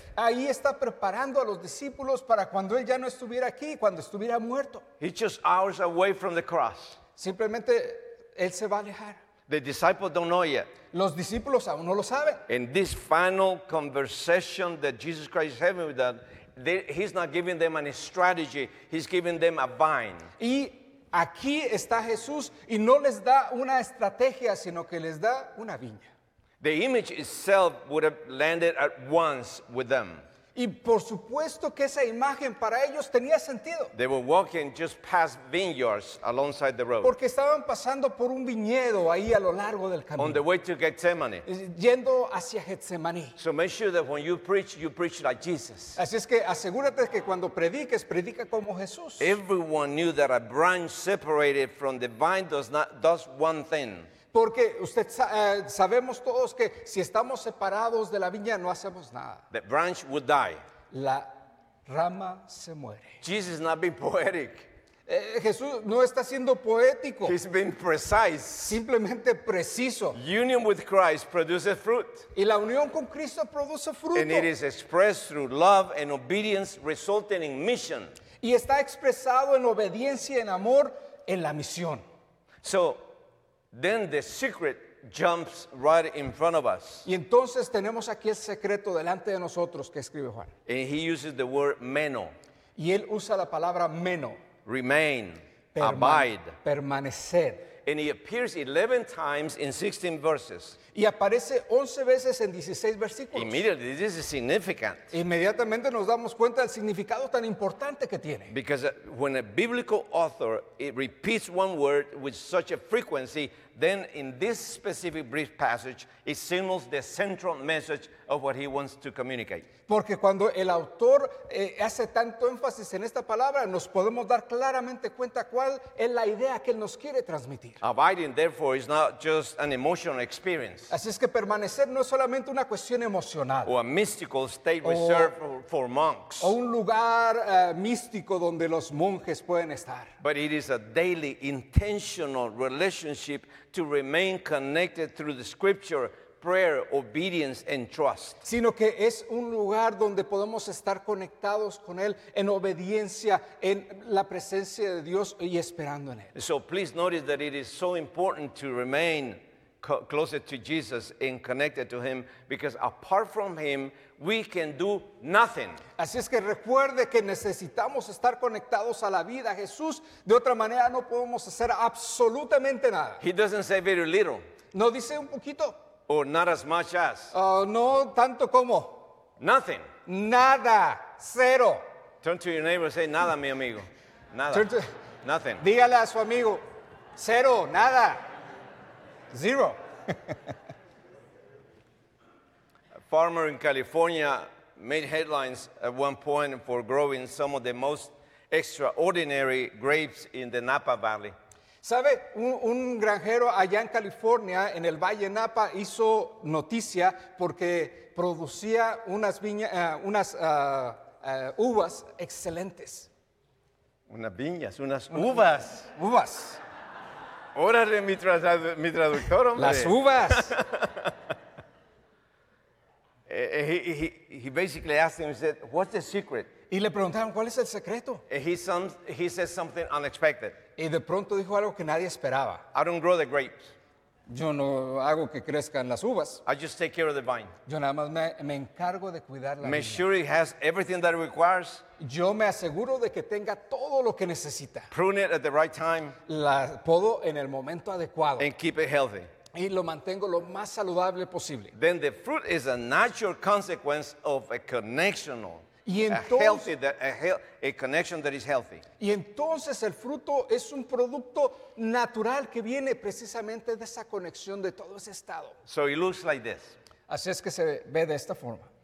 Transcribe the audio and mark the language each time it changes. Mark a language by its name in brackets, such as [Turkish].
[Spanish] Ahí está preparando a los discípulos para cuando él ya no estuviera aquí, cuando estuviera muerto. [English] He's just hours away from the cross. [Spanish] Simplemente él se va a alejar. [English] The disciples don't know yet. [Spanish] Los discípulos aún no lo saben. [English] In this final conversation that Jesus Christ is having with them, he's not giving them any strategy. He's giving them a vine. [Spanish] Y aquí está Jesús y no les da una estrategia, sino que les da una viña. [English] The image itself would have landed at once with them. [Spanish] Y por supuesto que esa imagen para ellos tenía sentido. [English] They were walking just past vineyards alongside the road. [Spanish] Porque estaban pasando por un viñedo ahí a lo largo del camino. [English] On the way to Gethsemane. [Spanish] Yendo hacia Getsemaní. [English] So make sure that when you preach like Jesus. [Spanish] Así es que asegúrate que cuando prediques, predica como Jesús. [English] Everyone knew that a branch separated from the vine does one thing. [Spanish] Porque usted sabemos todos que si estamos separados de la viña no hacemos nada. [English] The branch would die. [Spanish] La rama se muere. [English] Jesus is not being poetic. [Spanish] Jesús no está siendo poético. [English] He's being precise. [Spanish] Simplemente preciso. [English] Union with Christ produces fruit. [Spanish] Y la unión con Cristo produce fruto. [English] And it is expressed through love and obedience resulting in mission. [Spanish] Y está expresado en obediencia, en amor, en la misión. [English] So then the secret jumps right in front of us. [Spanish] Y entonces tenemos aquí el secreto delante de nosotros que escribe Juan. [English] And he uses the word meno. [Spanish] Y él usa la palabra meno. [English] Remain, abide. [Spanish] Permanecer. [English] And he appears 11 times in 16 verses. [Spanish] Y aparece 11 veces en 16 versículos. [English] Immediately, this is significant. [Spanish] Inmediatamente nos damos cuenta del significado tan importante que tiene. [English] Because when a biblical author it repeats one word with such a frequency, then in this specific brief passage, it signals the central message of what he wants to communicate. [Spanish] Porque cuando el autor hace tanto énfasis en esta palabra, nos podemos dar claramente cuenta cuál es la idea que él nos quiere transmitir. [English] Abiding, therefore, is not just an emotional experience. [Spanish] Así es que permanecer no es solamente una cuestión emocional. [English] O a mystical state reserved for monks. [Spanish] O un lugar místico donde los monjes pueden estar. [English] But it is a daily intentional relationship to remain connected through the scripture, prayer, obedience, and trust. [Spanish] Sino que es un lugar donde podemos estar conectados con él en obediencia, en la presencia de Dios y esperando en él. [English] So please notice that it is so important to remain closer to Jesus and connected to him, because apart from him we can do nothing. [Spanish] Así es que recuerde que necesitamos estar conectados a la vida Jesús, de otra manera no podemos hacer absolutamente nada. [English] He doesn't say very little. [Spanish] No dice un poquito. [English] Or not as much as. [Spanish] No tanto como. [English] Nothing. [Spanish] Nada. Cero. [English] Turn to your neighbor and say [Spanish] nada, mi amigo. Nada. [English] Turn to... Nothing. [Spanish] Dígale a su amigo. Cero. Nada. Zero. [English] A farmer in California made headlines at one point for growing some of the most extraordinary grapes in the Napa Valley. [Spanish] ¿Sabe? Un granjero allá en California, en el Valle Napa, hizo noticia porque producía unas viñas, uvas excelentes. Unas viñas, unas uvas. Uvas. Órale, mi traductor, hombre. Las uvas. [English] He basically asked him, he said, what's the secret? [Spanish] Y le preguntaron, ¿cuál es el secreto? [English] He said something unexpected. [Spanish] Y de pronto dijo algo que nadie esperaba. [English] I don't grow the grapes. [Spanish] Yo no hago que crezcan las uvas. [English] I just take care of the vine. [Spanish] Yo nada más me encargo de cuidar la [English] vine. Make sure it has everything that it requires. [Spanish] Yo me aseguro de que tenga todo lo que necesita. [English] Prune it at the right time. [Spanish] La podo en el momento adecuado. [English] And keep it healthy. [Spanish] Y lo mantengo lo más saludable posible. [English] Then the fruit is a natural consequence of a connectional. [Spanish] Y entonces, [English] a connection that is healthy. [Spanish] Y entonces el fruto es un producto natural que viene precisamente de esa conexión de todo ese estado. So it looks like this. Así es que se ve de esta forma.